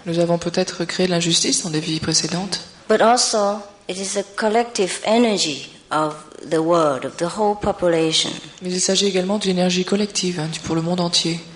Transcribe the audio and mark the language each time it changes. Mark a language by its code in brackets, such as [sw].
[fr] Nous avons peut-être créé l'injustice dans des vies précédentes. [en] But also, it is a collective energy of the world, of the whole population. [fr] Mais il s'agit également d'une énergie collective pour le monde entier.